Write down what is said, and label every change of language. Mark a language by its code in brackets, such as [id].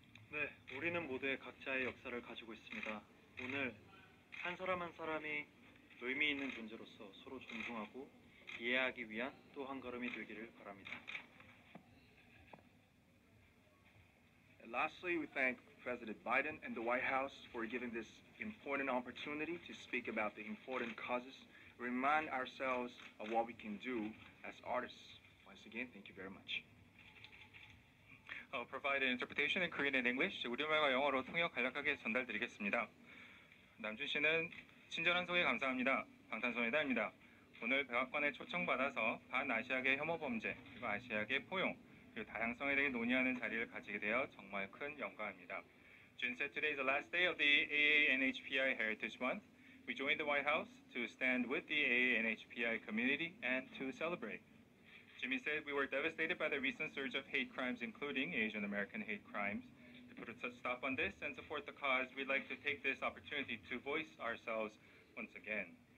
[ko] 네, 우리는 모두 각자의 역사를 가지고 있습니다. 오늘 한 사람 한 사람이 의미 있는 존재로서 서로 존중하고 이해하기 위한 또 한 걸음이 되기를 바랍니다. [en] Lastly, we thank President Biden and the White House for giving this important opportunity to speak about the important causes. Remind ourselves of what we can do as artists. Once again, thank you very much. I'll provide an interpretation in Korean and English. [ko] 우리말과 영어로 통역 간략하게 전달드리겠습니다. 남준 씨는 친절한 소개 감사합니다. 방탄소년단입니다. 오늘 백악관에 초청받아서 반아시아계 혐오 범죄, 그리고 아시아계 포용, 그리고 다양성에 대해 논의하는 자리를 가지게 되어 정말 큰 영광입니다. [en] June said today is the last day of the AANHPI Heritage Month. We joined the White House to stand with the AANHPI community and to celebrate. Jimmy said we were devastated by the recent surge of hate crimes, including Asian American hate crimes. To put a stop on this and support the cause, we'd like to take this opportunity to voice ourselves once again.